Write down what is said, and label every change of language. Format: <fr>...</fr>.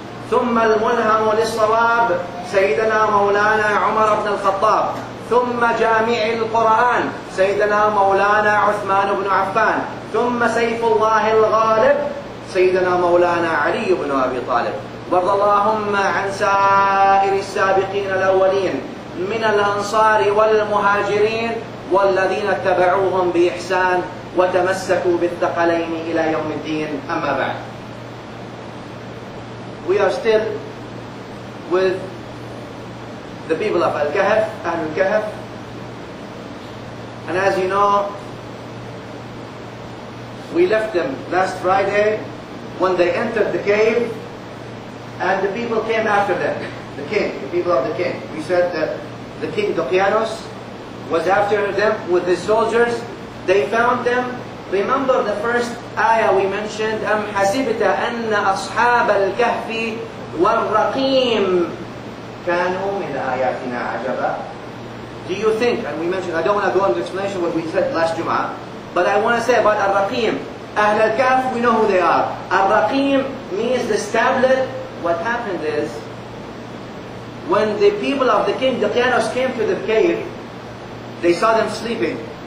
<ar>ثم الملهم للصواب سيدنا مولانا عمر بن الخطاب، ثم جامع القرآن سيدنا مولانا عثمان بن عفان، ثم سيف الله الغالب سيدنا مولانا علي بن أبي طالب. وارض اللهم عن سائر السابقين الأولين من الأنصار والمهاجرين والذين اتبعوهم بإحسان وتمسكوا بالثقلين إلى يوم الدين.</ar> <en>أما بعد، we are still with the people of Al-Kahf, Al-Kahf. And as you know, we left them last Friday when they entered the cave and the people came after them, the king, the people of the king. We said that the king Dukyanos was after them with his soldiers. They found them. Remember the first ayah we mentioned, أَمْ حَسِبْتَ أَنَّ أَصْحَابَ الْكَهْفِ وَالرَّقِيمِ كانوا من آياتنا عجبا. Do you think, and we mentioned, I don't want to go into explanation what we said last Jum'ah, but I want to say about الرقيم. أهل الكهف, we know who they are. الرقيم means the tablet. What happened is, when the people of the king, the Dukyanos, came to the cave, they saw them sleeping.</en>